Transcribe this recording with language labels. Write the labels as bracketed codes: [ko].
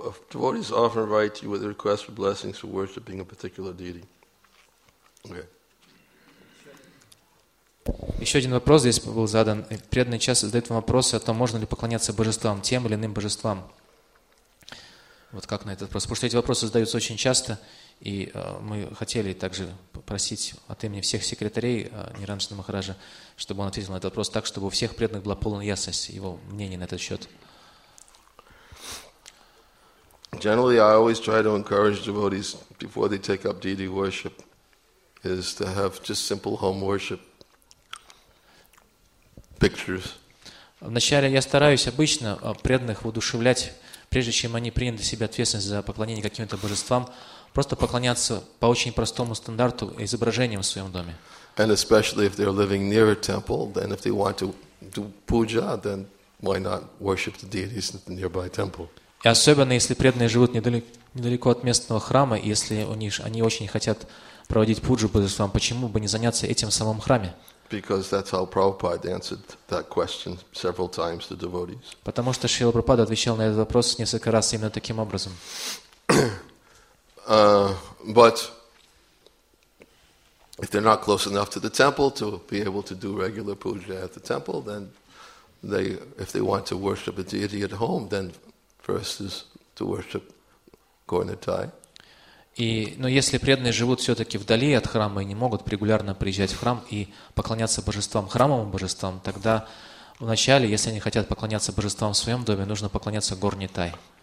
[en] Devotees often write to you with a request for blessings for worshiping a particular deity. Okay. [ru] Еще один вопрос здесь был задан. Преданный часто задает вам вопросы о том, можно ли поклоняться божествам, тем или иным божествам. Вот как на этот вопрос? Потому что эти вопросы задаются очень часто, и мы хотели также попросить от имени всех секретарей Ниранджана Махараджа, чтобы он ответил на этот вопрос так, чтобы у всех преданных была полная ясность его мнения на этот счет. [en] Generally, I always try to encourage devotees before they take up deity worship is to have just simple home worship. Pictures. [ru] Вначале я стараюсь обычно преданных воодушевлять, прежде чем они приняли на себя ответственность за поклонение каким-то божествам, просто поклоняться по очень простому стандарту изображениям в своем доме. [en] And especially if they're living near a temple, then if they want to do puja, then why not worship the deities in the nearby temple? [ru] И особенно если преданные живут недалеко от местного храма, и если они очень хотят проводить пуджу божествам, почему бы не заняться этим самым храме? [en] Because that's how Prabhupada answered that question several times to devotees. [ru] Потому что Шрила Прабхупада отвечал на этот вопрос несколько раз именно таким образом. [en] But if they're not close enough to the temple to be able to do regular puja at the temple, then they, if they want to worship a deity at home, then first is to worship Gaur-Nitai. [ru] Но если преданные живут все-таки вдали от храма и не могут регулярно приезжать в храм и поклоняться божествам, храмовым божествам, тогда вначале, если они хотят поклоняться божествам в своем доме, нужно поклоняться Гор-Нитай.